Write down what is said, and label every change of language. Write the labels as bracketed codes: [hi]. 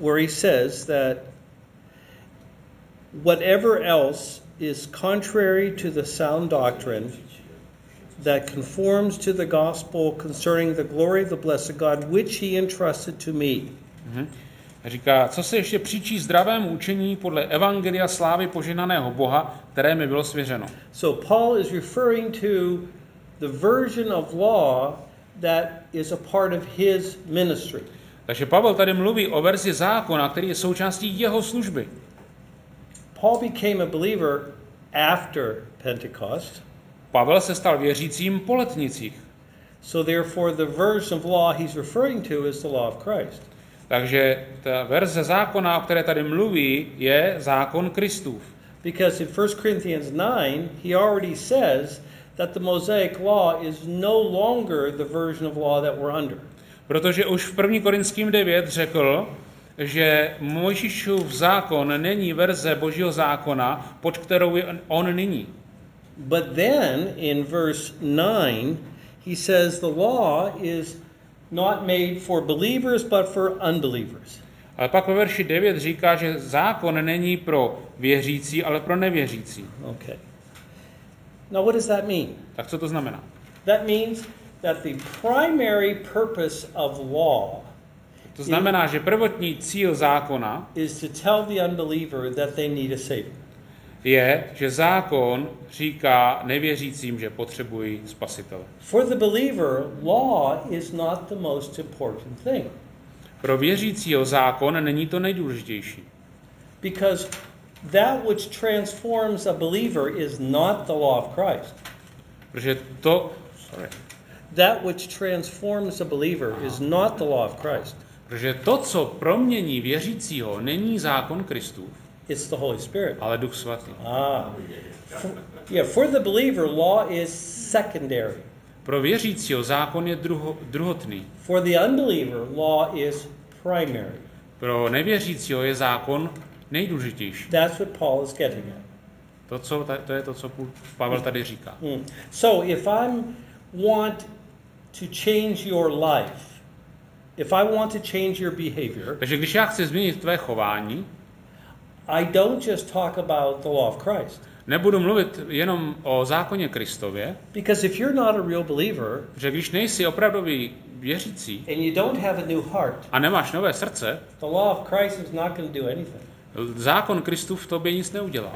[en] Where he says that whatever else is contrary to the sound doctrine that conforms to the gospel concerning the glory of the blessed God which he entrusted to me. Mhm. [cs] Říká, co se ještě příčí zdravému učení podle evangelia slávy požehnaného Boha, které mi bylo svěřeno. [en] So Paul is referring to the version of law that is a part of his ministry. [cs] Takže Pavel tady mluví o verzi zákona, který je součástí jeho služby. [en] Paul became a believer after Pentecost. [cs] Pavel se stal věřícím po letnicích. [en] So therefore the version of law he's referring to is the law of Christ. [cs] Takže ta verze zákona, o které tady mluví, je zákon Kristův. [en] Because in 1 Corinthians 9 he already says that the Mosaic law is no longer the version of law that we're under. [cs] Protože už v 1. Korinským 9 řekl, že Mojžíšův zákon není verze Božího zákona, pod kterou je on nyní. [en] But then in verse 9 he says the law is not made for believers but for unbelievers. [cs] Ale pak ve verši 9 říká, že zákon není pro věřící, ale pro nevěřící. [en] Okay. Now what does that mean? [cs] Tak co to znamená? [en] That means that the primary purpose of law. [cs] To znamená, že prvotní cíl zákona [en] is to tell the unbeliever that they need a savior. [cs] Je, že zákon říká nevěřícím, že potřebují spasitele. [en] For the believer, law is not the most important thing. [cs] Pro věřícího zákon není to nejdůležitější. [en] Because that which transforms a believer is not the law of Christ. [cs] Protože to, [en] sorry. That which transforms a believer is not the law of Christ. [cs] Protože to, co promění věřícího, není zákon Kristův. [en] It's the Holy Spirit. [cs] Ale Duch Svatý. [en] For the believer law is secondary. [cs] Pro věřícího zákon je druhotný. [en] For the unbeliever law is primary. [cs] Pro nevěřícího je zákon nejdůležitější. [en] That's what Paul is getting at. [cs] To je to, co Pavel tady říká. [en] So if I want to change your life, if I want to change your behavior, [cs] takže když já chci změnit tvé chování, [en] I don't just talk about the law of Christ. [cs] Nebudu mluvit jenom o zákoně Kristově. [en] Because if you're not a real believer, [cs] že když nejsi opravdový věřící, [en] and you don't have a new heart, [cs] a nemáš nové srdce, [en] the law of Christ is not going to do anything. [cs] Zákon Kristův v tobě nic neudělá.